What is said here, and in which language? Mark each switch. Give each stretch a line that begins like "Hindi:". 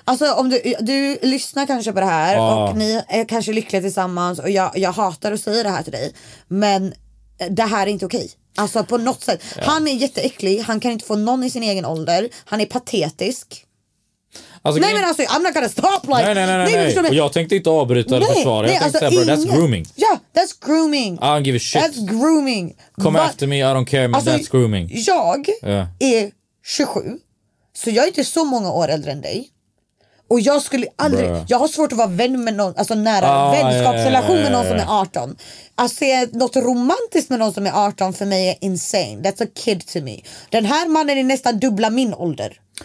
Swedish: Alltså om du lyssnar kanske på det här och ni är kanske lyckliga tillsammans och jag hatar att säga det här till dig, men det här är inte okej. Alltså på något sätt. Ja. Han är jätteäcklig. Han kan inte få någon i sin egen ålder. Han är patetisk. Alltså, nej, men alltså,
English: I'm not gonna stop like.
Swedish: Nej. Och jag tänkte inte avbryta eller försvara. Jag tänkte säga,
English: bro, that's grooming. Ja, that's grooming. I don't give a shit. That's grooming. Come after me, I don't care,
Swedish: men alltså,
English: that's grooming.
Swedish: Jag är 27. Så jag är inte så många år äldre än dig. Och jag skulle aldrig, jag har svårt att vara vän med någon, alltså nära vänskapsrelation med någon som är 18. Att se något romantiskt med någon som är 18 för mig är insane.
English: That's a kid to me.
Swedish: Den här mannen är nästan dubbla min ålder.